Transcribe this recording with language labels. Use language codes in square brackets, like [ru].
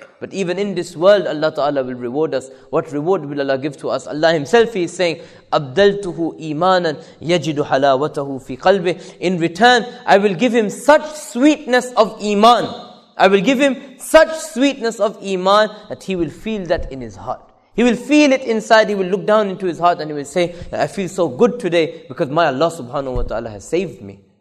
[en] But even in this world, Allah Ta'ala will reward us. What reward will Allah give to us? Allah Himself, He is saying, [ar] أَبْدَلْتُهُ إِيمَانًا يَجِدُ حَلَاوَتَهُ فِي قَلْبِهِ. [en] In return, I will give him such sweetness of iman. I will give him such sweetness of iman that he will feel that in his heart. He will feel it inside. He will look down into his heart and he will say, I feel so good today because my Allah Subhanahu Wa Ta'ala has saved me.